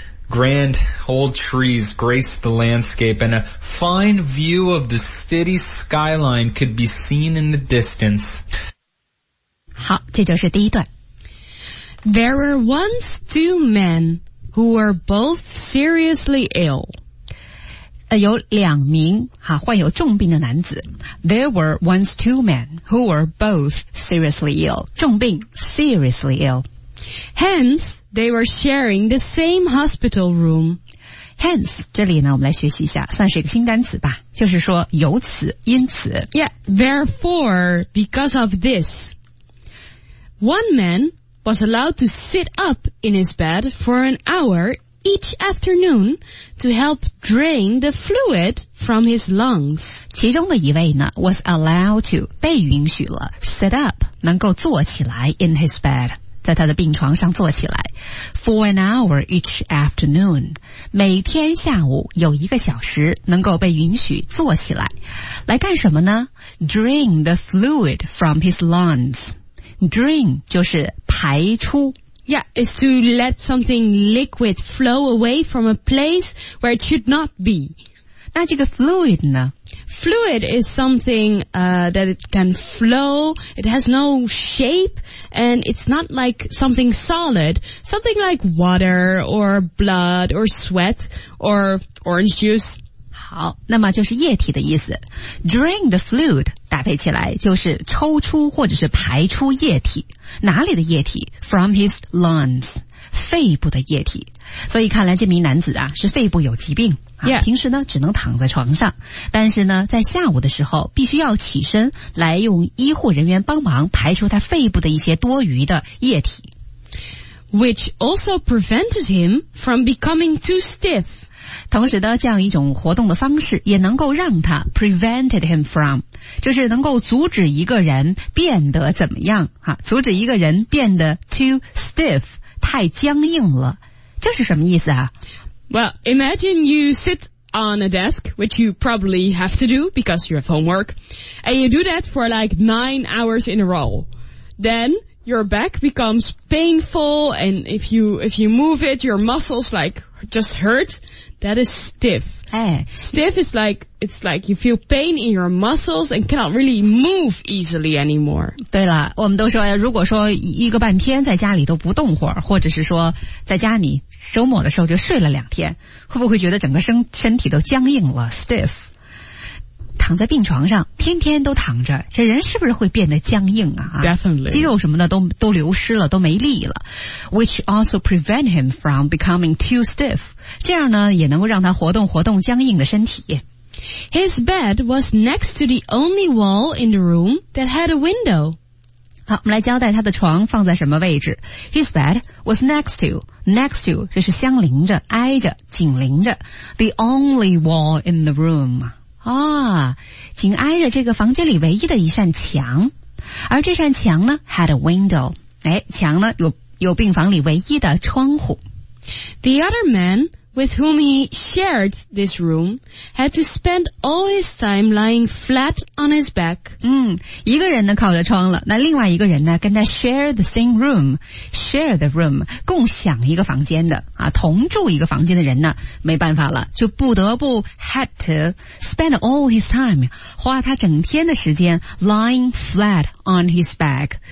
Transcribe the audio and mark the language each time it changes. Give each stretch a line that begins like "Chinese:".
English: Grand old trees graced the landscape, and a fine view of the city skyline could be seen in the distance.
Chinese: 好，这就是第一段。
English: There were once two men who were both seriously ill.
Chinese: 有两名哈患有重病的男子。
English: There were once two men who were both seriously ill.
Chinese: 重病
English: ,seriously ill. Hence, they were sharing the same hospital room.
Chinese: Hence, 这里呢我们来学习一下算是一个新单词吧。就是说由此因此。
English: Yeah, therefore, because of this. One man was allowed to sit up in his bed for an hour each afternoon to help drain the fluid from his lungs.
Chinese: 其中的一位呢
English: was allowed to,
Chinese: 被允许了
English: sit up,
Chinese: 能够坐起来
English: in his bed,
Chinese: 在他的病床上坐起来
English: for an hour each afternoon,
Chinese: 每天下午有一个小时能够被允许坐起来。来干什么呢
English: ?drain the fluid from his lungs.
Chinese: drain 就是排出。
English: Yeah, is to let something liquid flow away from a place where it should not be.
Chinese: 那这个 fluid 呢?
English: Fluid is something, that it can flow, it has no shape, and it's not like something solid. Something like water, or blood, or sweat, or orange juice.
Chinese: 好，那么就是液体的意思。
English: Drain the fluid
Chinese: 搭配起来就是抽出或者是排出液体。哪里的液体 ?
English: From his lungs,
Chinese: 肺部的液体。所以看来这名男子啊是肺部有疾病、
English: yeah.
Chinese: 平时呢只能躺在床上。但是呢在下午的时候必须要起身来用医护人员帮忙排出他肺部的一些多余的液体。
English: Which also prevented him from becoming too stiff.
Chinese: 同时的这样一种活动的方式也能够让他
English: prevented him from,
Chinese: 就是能够阻止一个人变得怎么样、啊、阻止一个人变得
English: too stiff,
Chinese: 太僵硬了。这是什么意思啊
English: ?Well, imagine you sit on a desk, which you probably have to do because you have homework, and you do that for like 9 hours in a row. Then,your back becomes painful, and if you move it, your muscles like just hurt. That is stiff. Hey. Stiff is like, it's like you feel pain in your muscles and cannot really move easily anymore.
Chinese: 对了，我们都说，如果说一个半天在家里都不动会儿，或者是说在家里周末的时候就睡了两天，会不会觉得整个身体都僵硬了 ?Stiff. 躺在病床上天天都躺着这人是不是会变得僵硬啊
English: Definitely.
Chinese: 肌肉什么的都流失了都没力了。
English: Which also prevent him from becoming too stiff.
Chinese: 这样呢也能够让他活动僵硬的身体。
English: His bed was next to the only wall in the room that had a window.
Chinese: 好我们来交代他的床放在什么位置。
English: His bed was next to,
Chinese: 就是相邻着挨着紧邻着
English: the only wall in the room.
Chinese: 哦，紧挨着这个房间里唯一的一扇墙，而这扇墙呢
English: had a window，
Chinese: 哎，墙呢有病房里唯一的窗户。
English: The other man with whom he shared this room had to spend all his time lying flat on his back.
Chinese: 一个人呢靠着窗了，那另外一个人呢跟他
English: share the same room， share the room，
Chinese: 共享一个房间的啊，同住一个房间的人呢没办法了，就不得不
English: had to spend all his time，
Chinese: 花他整天的时间
English: lying flat on his back。